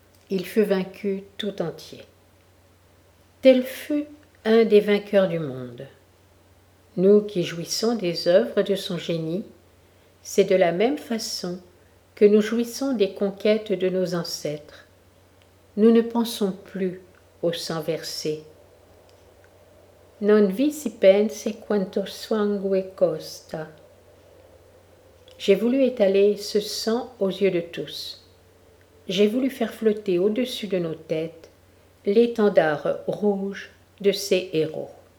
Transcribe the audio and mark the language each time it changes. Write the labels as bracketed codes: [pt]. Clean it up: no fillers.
[fr] Il fut vaincu tout entier. Tel fut un des vainqueurs du monde. Nous qui jouissons des œuvres de son génie, c'est de la même façon que nous jouissons des conquêtes de nos ancêtres. Nous ne pensons plus au sang versé. [it] Non vi si pense quanto sangue costa. [fr] J'ai voulu étaler ce sang aux yeux de tous. J'ai voulu faire flotter au-dessus de nos têtes l'étendard rouge de ces héros.